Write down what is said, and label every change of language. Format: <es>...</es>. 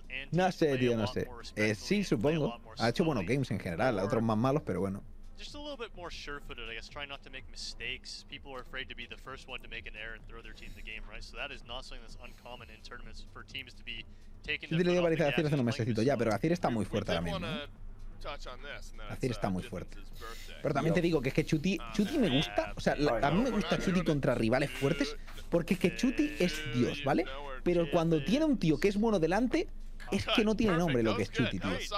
<es>No sé, tío, no sé. Sí, supongo. Ha hecho buenos games en general, otros más malos, pero bueno.</es> <en>Just a little bit more sure-footed, I guess, trying not to make mistakes. People are afraid to be the first one to make an error and throw their team the game, right? So that is not something that's uncommon in tournaments for teams to be taken to the game.</en> <es>Sí, Gazir hace unos mesecito ya, pero Gazir está muy fuerte también, ¿no? Gazir está muy fuerte. Pero también te digo que es que Chuti me gusta, o sea, a mí me gusta Chuti contra rivales fuertes, porque es que Chuti es Dios, ¿vale? Pero cuando tiene un tío que es bueno delante, es que no tiene nombre lo que es Chuti, tío.</es>